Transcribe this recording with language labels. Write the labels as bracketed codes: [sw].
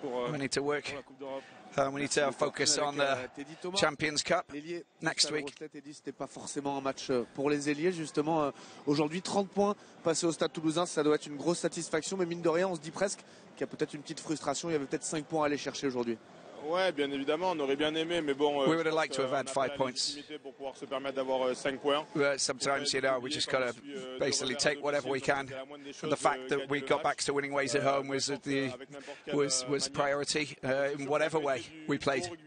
[en] We need to work. We need to focus on the Champions Cup next week. [fr] C'était pas forcément un match pour les ailiers, justement. Aujourd'hui, 30 points passés au Stade Toulousain, ça doit être une grosse satisfaction. Mais mine de rien, on se dit presque qu'il y a peut-être une petite frustration. Il y avait peut-être 5 points à aller chercher aujourd'hui. Ouais, bien évidemment, on aurait bien aimé, mais bon. [en] We would have liked to have had 5 points. [fr] Pour pouvoir se permettre d'avoir 5 points. [en] Sometimes, you know, we just gotta basically take whatever we can. And the fact that we got back to winning ways at home was priority in whatever way we played.